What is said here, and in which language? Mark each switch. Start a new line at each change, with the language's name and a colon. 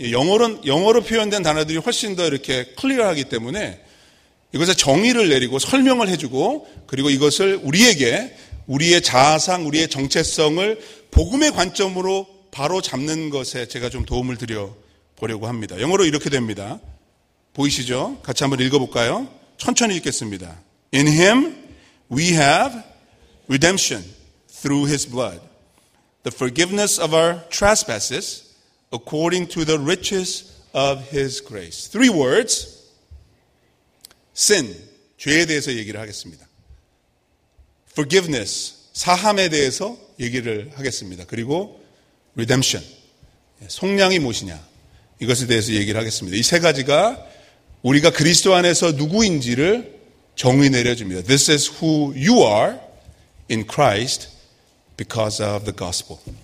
Korean: 영어로 표현된 단어들이 훨씬 더 이렇게 클리어하기 때문에 이것의 정의를 내리고 설명을 해주고, 그리고 이것을 우리에게 우리의 자아상, 우리의 정체성을 복음의 관점으로 바로 잡는 것에 제가 좀 도움을 드려 보려고 합니다. 영어로 이렇게 됩니다. 보이시죠? 같이 한번 읽어볼까요? 천천히 읽겠습니다.
English: In him we have redemption through his blood, the forgiveness of our trespasses according to the riches of his grace. Three words.
Korean: Sin, 죄에 대해서 얘기를 하겠습니다. Forgiveness, 사함에 대해서 얘기를 하겠습니다. 그리고 Redemption, 속량이 무엇이냐, 이것에 대해서 얘기를 하겠습니다. 이 세 가지가 우리가 그리스도 안에서 누구인지를 정의 내려줍니다.
English: This is who you are in Christ because of the gospel.